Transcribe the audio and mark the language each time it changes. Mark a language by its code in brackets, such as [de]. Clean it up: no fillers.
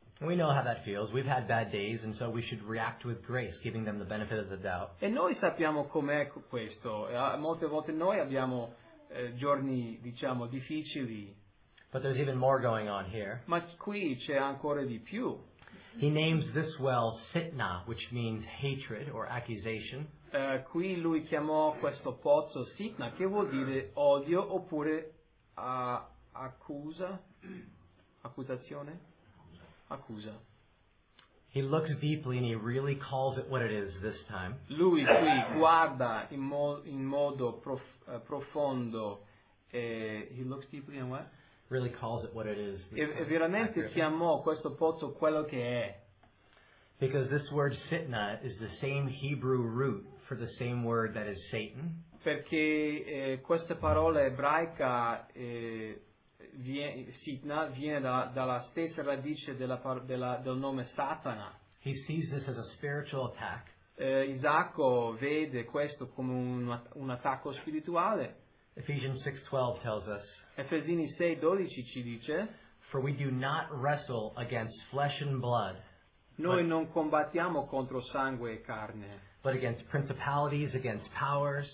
[en] We know how that feels. We've had bad days, and so we should react with grace, giving them the benefit of the doubt. [it] E noi sappiamo com'è questo. Molte volte noi abbiamo giorni, diciamo, difficili. [en] But there's even more going on here. [it] Ma qui c'è ancora di più. [en] He names this well Sitna, which means hatred or accusation. [it] Qui lui chiamò questo pozzo Sitna, che vuol dire odio oppure accusa, accusazione, accusa. [en] He looks deeply and he really calls it what it is this time. [it] Lui qui guarda in modo profondo. [en] He looks deeply and what? Really calls it what it is. [it] E veramente chiamò questo pozzo quello che è. [en] Because this word Sitna is the same Hebrew root for the same word that is Satan. [it] Perché questa parola ebraica viene dalla stessa radice del nome Satana. [en] He sees this as a spiritual attack. [it] Isacco vede questo come un attacco spirituale. [en] Ephesians 6:12 tells us. [it] Efesini 6:12 ci dice. [en] For we do not wrestle against flesh and blood. [it] Noi non combattiamo contro sangue e carne. [en] But against principalities, against powers.